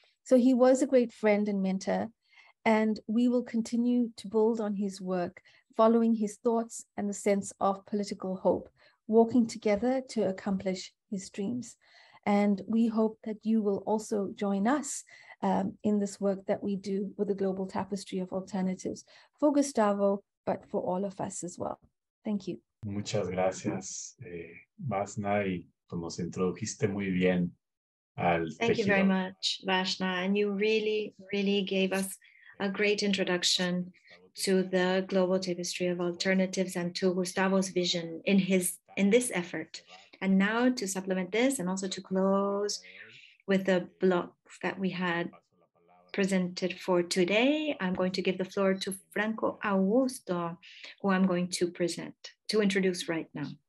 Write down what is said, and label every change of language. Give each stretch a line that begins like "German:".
English: So he was a great friend and mentor, and we will continue to build on his work, following his thoughts and the sense of political hope, walking together to accomplish his dreams. And we hope that you will also join us in this work that we do with the Global Tapestry of Alternatives for Gustavo, but for all of us as well. Thank you.
Spanish: Muchas gracias, Vasna, y como se introdujiste muy bien al tejido.
English: Thank you very much, Vasna, and you really, really gave us a great introduction to the Global Tapestry of Alternatives and to Gustavo's vision in this effort. And now to supplement this and also to close with the blocks that we had presented for today, I'm going to give the floor to Franco Augusto, who I'm going to present, to introduce right now.